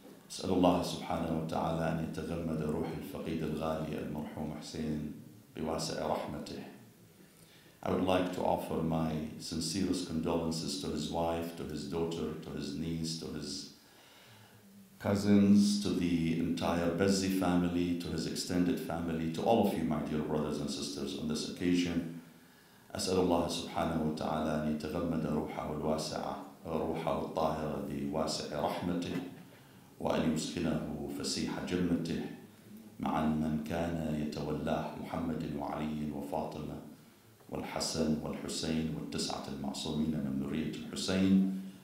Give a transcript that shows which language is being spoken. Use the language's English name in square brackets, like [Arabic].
[Arabic] أسأل الله سبحانه وتعالى أن يتغمد روح الفقيد الغالي المرحوم حسين بواسع رحمته. [English] I would like to offer my sincerest condolences to his wife, to his daughter, to his niece, to his cousins, to the entire Bezzi family, to his extended family, to all of you, my dear brothers and sisters, on this occasion. [Arabic] أسأل الله سبحانه وتعالى أن يتغمد روحه الطاهرة بواسع رحمته. وأن يسكنه فسيح جنته مع من كان يتولاه محمد وعلي وفاطمة والحسن والحسين والتسعة المعصومين من ذرية الحسين.